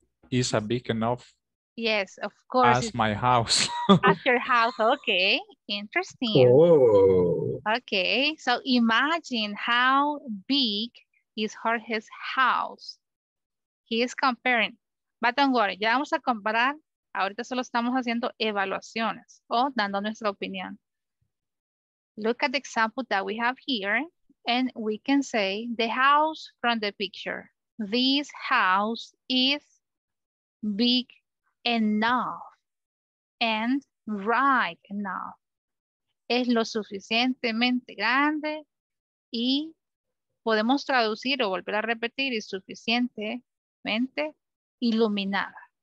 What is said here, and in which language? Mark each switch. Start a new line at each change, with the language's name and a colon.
English: Is a big enough? Yes, of course. As my house. As your house, okay. Interesting. Oh. Okay, so imagine how big is Jorge's house. He is comparing. But don't worry,
Spanish: ya vamos a comparar. Ahorita solo estamos haciendo evaluaciones o dando nuestra opinión.
English: Look at the example that we have here. And we can say the house from the picture. This house is big enough and right enough.
Spanish: Es lo suficientemente grande y podemos traducir o volver a repetir, es suficientemente iluminada.